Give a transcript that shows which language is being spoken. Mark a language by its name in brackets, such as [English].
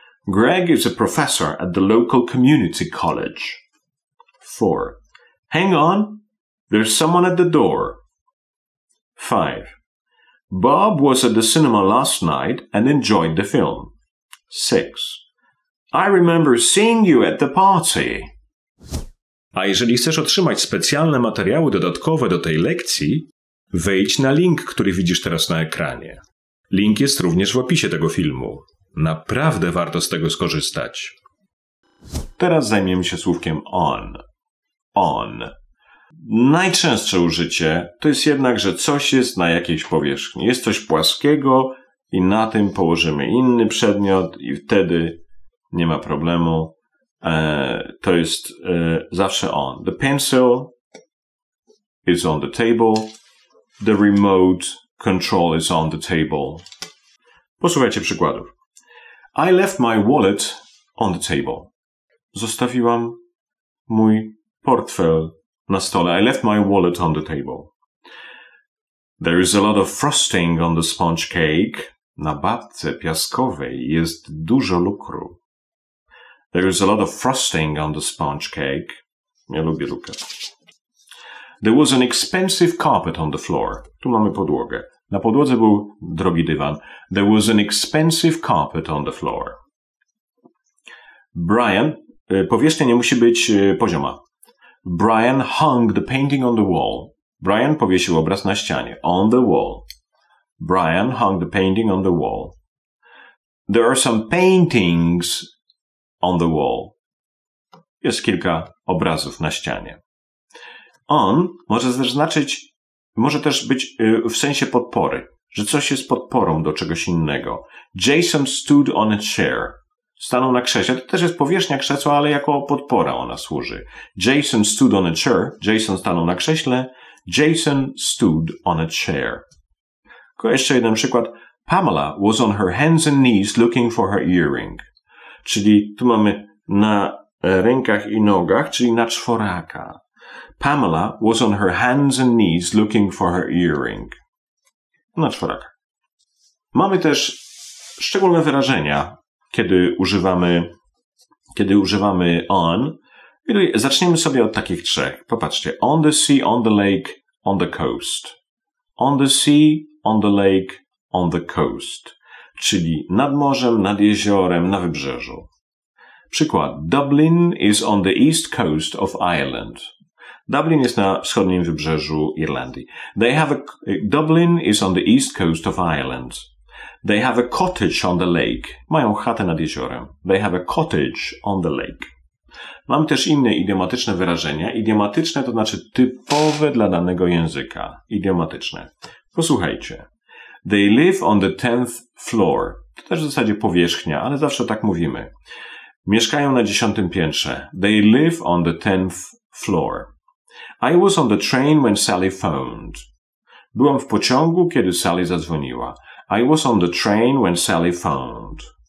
[English] Greg is a professor at the local community college. 4. Hang on, there's someone at the door. 5. Bob was at the cinema last night and enjoyed the film. 6. I remember seeing you at the party. [Polish] A jeżeli chcesz otrzymać specjalne materiały dodatkowe do tej lekcji, wejdź na link, który widzisz teraz na ekranie. Link jest również w opisie tego filmu. Naprawdę warto z tego skorzystać. Teraz zajmiemy się słówkiem on. On. Najczęstsze użycie to jest jednak, że coś jest na jakiejś powierzchni. Jest coś płaskiego i na tym położymy inny przedmiot i wtedy nie ma problemu. To jest zawsze on. [English] The pencil is on the table. The remote control is on the table. [Polish] Posłuchajcie przykładów. [English] I left my wallet on the table. [Polish] Zostawiłam mój portfel na stole. [English] I left my wallet on the table. There is a lot of frosting on the sponge cake. [Polish] Na babce piaskowej jest dużo lukru. [English] There is a lot of frosting on the sponge cake. [Polish] Ja lubię lukę. [English] There was an expensive carpet on the floor. [Polish] Tu mamy podłogę. Na podłodze był drogi dywan. [English] There was an expensive carpet on the floor. [Polish] Brian, powierzchnia nie musi być pozioma. [English] Brian hung the painting on the wall. [Polish] Brian powiesił obraz na ścianie. [English] On the wall. Brian hung the painting on the wall. There are some paintings on the wall. [Polish] Jest kilka obrazów na ścianie. On może też znaczyć, może też być w sensie podpory, że coś jest podporą do czegoś innego. [English] Jason stood on a chair. [Polish] Stanął na krześle. To też jest powierzchnia krzesła, ale jako podpora ona służy. [English] Jason stood on a chair. [Polish] Jason stanął na krześle. [English] Jason stood on a chair. [Polish] Jeszcze jeden przykład. [English] Pamela was on her hands and knees looking for her earring. [Polish] Czyli tu mamy na rękach i nogach, czyli na czworaka. [English] Pamela was on her hands and knees looking for her earring. [Polish] Na czworaka. Mamy też szczególne wyrażenia, kiedy używamy on. Zaczniemy sobie od takich trzech. Popatrzcie. [English] On the sea, on the lake, on the coast. On the sea, on the lake, on the coast. [Polish] Czyli nad morzem, nad jeziorem, na wybrzeżu. Przykład. [English] Dublin is on the east coast of Ireland. [Polish] Dublin jest na wschodnim wybrzeżu Irlandii. [English] Dublin is on the east coast of Ireland. They have a cottage on the lake. [Polish] Mają chatę nad jeziorem. [English] They have a cottage on the lake. [Polish] Mam też inne idiomatyczne wyrażenia. Idiomatyczne to znaczy typowe dla danego języka. Idiomatyczne. Posłuchajcie. [English] They live on the 10th floor. [Polish] To też w zasadzie powierzchnia, ale zawsze tak mówimy. Mieszkają na 10. piętrze. [English] They live on the 10th floor. I was on the train when Sally phoned. [Polish] Byłam w pociągu, kiedy Sally zadzwoniła. [English] I was on the train when Sally phoned.